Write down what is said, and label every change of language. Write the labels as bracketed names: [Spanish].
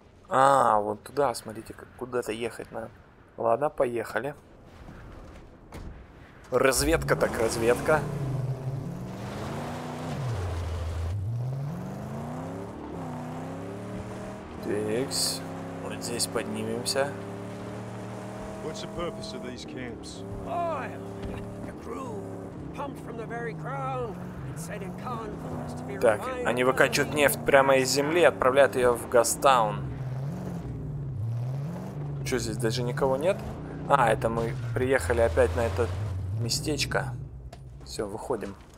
[Russian] А, вот туда, смотрите, как куда-то ехать надо. Ладно, поехали. Разведка так разведка. Такс, вот здесь поднимемся. [English] What's the purpose of these camps? Oil. The crew pumped from the very ground and set in convoys to be refined. [Russian] Так, они выкачивают нефть прямо из земли и отправляют ее в Гастаун. Что здесь, даже никого нет? А, это мы приехали опять на это местечко. Все, выходим.